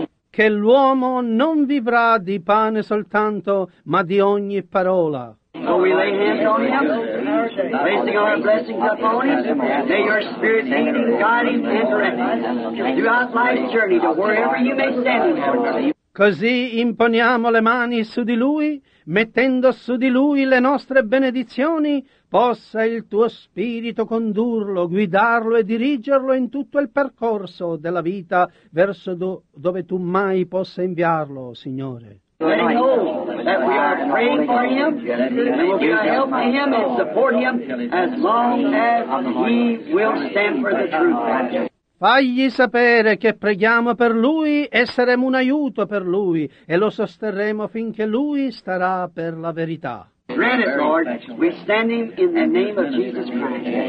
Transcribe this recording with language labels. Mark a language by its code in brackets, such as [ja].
[it] Che l'uomo non vivrà di pane soltanto, ma di ogni parola. [en] So we lay hands on him, placing our blessings upon him. May your spirit lead him, guide him, and direct him throughout life's journey to wherever you may send him. [it] Così imponiamo le mani su di lui, mettendo su di lui le nostre benedizioni, possa il tuo spirito condurlo, guidarlo e dirigerlo in tutto il percorso della vita verso dove tu mai possa inviarlo, Signore. [en] Let him know that we are praying for him, and we're going to help him and support him as long as he will stand for the truth. [it] Fagli sapere che preghiamo per lui e saremo un aiuto per lui e lo sosterremo finché lui starà per la verità. [en] Grant it, Lord, we stand him in the name of Jesus Christ.